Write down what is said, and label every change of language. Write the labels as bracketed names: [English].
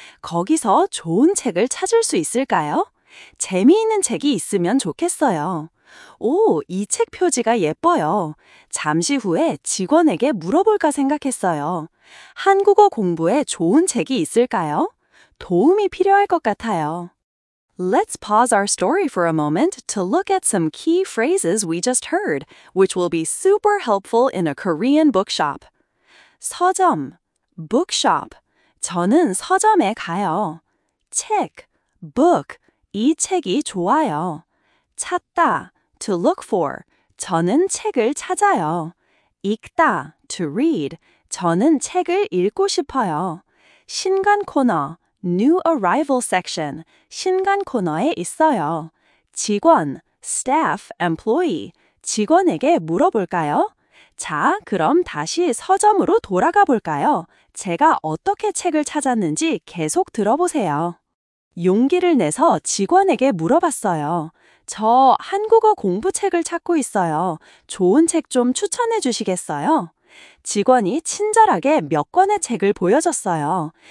[Korean] 거기서 좋은 책을 찾을 수 있을까요? 재미있는 책이 있으면 좋겠어요. 오, 이 책 표지가 예뻐요. 잠시 후에 직원에게 물어볼까 생각했어요. 한국어 공부에 좋은 책이 있을까요? 도움이 필요할 것 같아요. [English] Let's pause our story for a moment to look at some key phrases we just heard, which will be super helpful in a Korean bookshop. [Korean] 서점, bookshop. 저는 서점에 가요. 책, book. 이 책이 좋아요. [English] 찾다, to look for. [Korean] 저는 책을 찾아요. 읽다, [English] to read. [Korean] 저는 책을 읽고 싶어요. [English] 신간 코너, new arrival section. [Korean] 신간 코너에 있어요. [English] 직원, staff, employee. [Korean] 직원에게 물어볼까요? 자, 그럼 다시 서점으로 돌아가 볼까요? 제가 어떻게 책을 찾았는지 계속 들어보세요. 용기를 내서 직원에게 물어봤어요. 저 한국어 공부책을 찾고 있어요. 좋은 책 좀 추천해 주시겠어요? 직원이 친절하게 몇 권의 책을 보여줬어요.